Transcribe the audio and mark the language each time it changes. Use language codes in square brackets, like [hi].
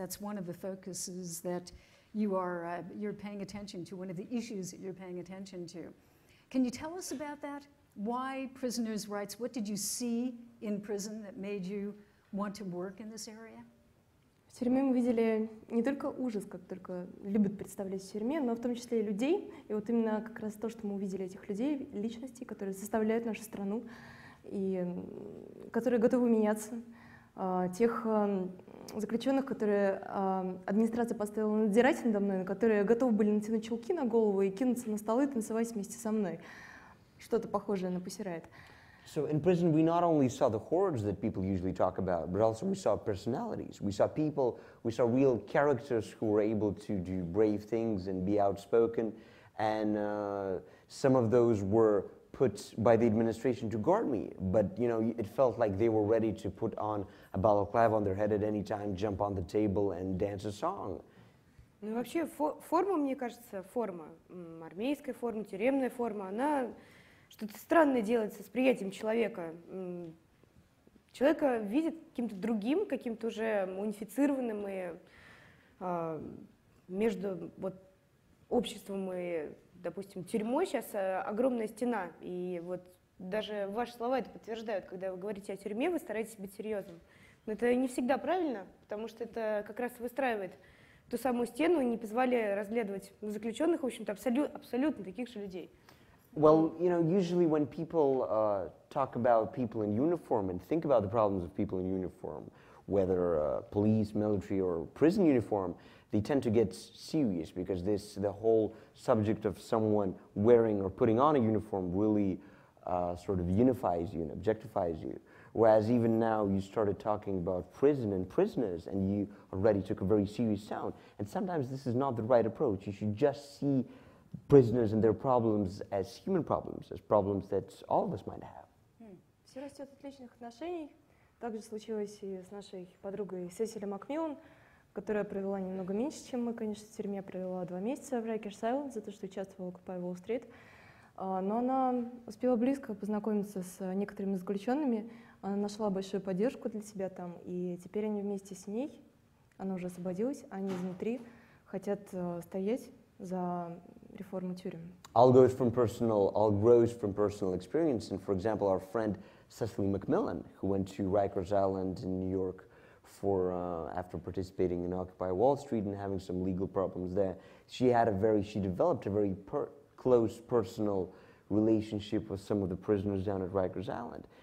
[en] That's one of the focuses that you are, you're paying attention to, one of the issues that you're paying attention to. Can you tell us about that? Why prisoners' rights? What did you see in prison that made you want to work in this area? [ru] В тюрьме мы видели не только ужас, как только любят представлять в тюрьме, но в том числе и людей. И вот именно как раз то, что мы увидели этих людей, личностей, которые составляют нашу страну и которые готовы меняться. Тех заключенных, которые администрация поставила надзирать надо мной, которые готовы были натянуть чулки на голову и кинуться на столы и танцевать вместе со мной. Что-то похожее на Pussy Riot. [en] So in prison we not only saw the horrors that people usually talk about, but also we saw personalities. We saw people, we saw real characters who were able to do brave things and be outspoken. And some of those were put by the administration to guard me. But, you know, it felt like they were ready to put on a balaclava on their head at any time, jump on the table and dance a song. [ru] Ну вообще форма, мне кажется, форма, армейская форма, тюремная форма, она что-то странное делается с приятием человека. Человека видят каким-то другим, каким-то уже унифицированным и между вот обществом и, допустим, тюрьмой сейчас огромная стена. И вот даже ваши слова это подтверждают, когда вы говорите о тюрьме, вы стараетесь быть серьезным. Но это не всегда правильно, потому что это как раз выстраивает ту самую стену, не позволяя разглядывать заключенных, в общем-то, абсолютно таких же людей. [en] Well, you know, usually when people talk about people in uniform and think about the problems of people in uniform, whether police, military, or prison uniform, they tend to get serious because this, the whole subject of someone wearing or putting on a uniform really sort of unifies you and objectifies you. Whereas even now you started talking about prison and prisoners and you already took a very serious tone. And sometimes this is not the right approach. You should just see prisoners and their problems as human problems, as problems that all of us might have. [ru] Все растет отличных отношений. Так же случилось и с нашей подругой Сесилией Макмиллан, которая провела немного меньше, чем мы, конечно, в тюрьме. Провела 2 месяца в Rikers Island за то, что участвовала в Occupy Wall Street. Но она успела близко познакомиться с некоторыми заключенными. Она нашла большую поддержку для себя там, и теперь они вместе с ней, она уже освободилась, они изнутри хотят стоять за реформу тюрем. [en] All grows from personal experience, and for example, our friend Cecily McMillan, who went to Rikers Island in New York for after participating in Occupy Wall Street and having some legal problems there, she developed a very close personal relationship with some of the prisoners down at Rikers Island.